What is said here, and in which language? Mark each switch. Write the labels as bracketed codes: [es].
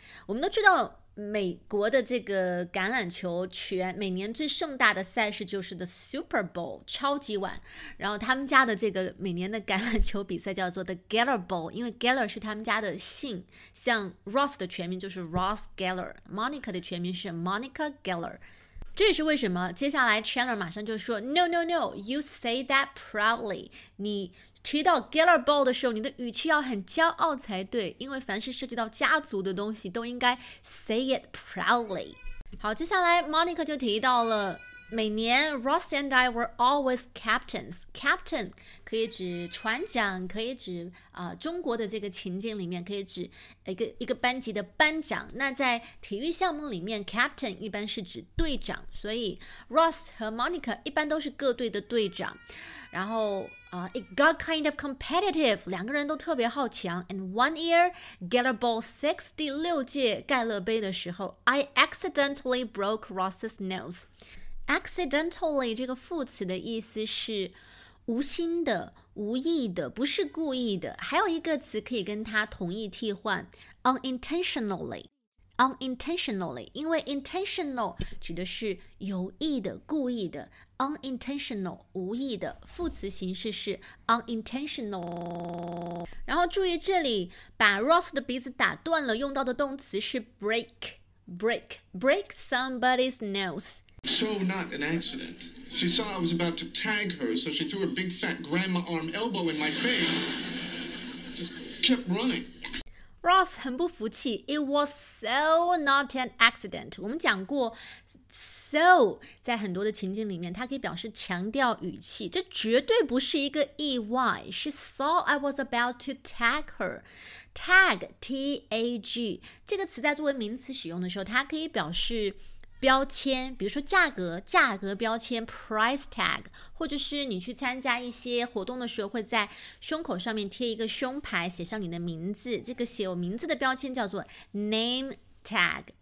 [zh] 我们都知道美国的这个橄榄球全每年最盛大的赛事就是 The Super Bowl 超级碗，然后他们家的这个每年的橄榄球比赛叫做 The Geller Bowl， 因为 Geller 是他们家的姓，像 Ross 的全名就是 Ross Geller， Monica 的全名是 Monica Geller。这也是为什么接下来 Chandler 马上就说 [en] No, you say that proudly， [zh] 你提到 Geller Bowl 的时候，你的语气要很骄傲才对，因为凡是涉及到家族的东西都应该 [en] say it proudly。 [zh] 好，接下来 Monica 就提到了每年 [en] Ross and I were always captains。 [zh] Captain 可以指船长，可以指中国的这个情境里面可以指一个班级的班长，那在体育项目里面 Captain 一般是指队长，所以 Ross 和 Monica 一般都是各队的队长。然后 [en] it got kind of competitive， [zh] 两个人都特别好强。 [en] And one year Geller Bowl 6 [zh] 第六届盖勒杯的时候， [en] I accidentally broke Ross's nose。 [zh] Accidentally 这个副词的意思是无心的，无意的，不是故意的。还有一个词可以跟它同义替换， Unintentionally。 unintentionally， 因为 intentional 指的是有意的、故意的， unintentional 无意的，副词形式是 unintentional。然后注意这里把 Ross 的鼻子打断了用到的动词是 [en] break somebody's nose。 So not an accident. She saw I was about to tag her, so she threw her big fat grandma arm elbow in my face. Just kept running. [zh] Ross 很不服气。 [en] It was so not an accident. [zh] 我们讲过 so 在很多的情境里面，它可以表示强调语气。这绝对不是一个意外。 [en] She saw I was about to tag her. [zh] Tag, T-A-G, 这个词在作为名词使用的时候，它可以表示标签，比如说价格标签 price tag， 或者是你去参加一些活动的时候会在胸口上面贴一个胸牌，写上你的名字，这个写有名字的标签叫做 name tag。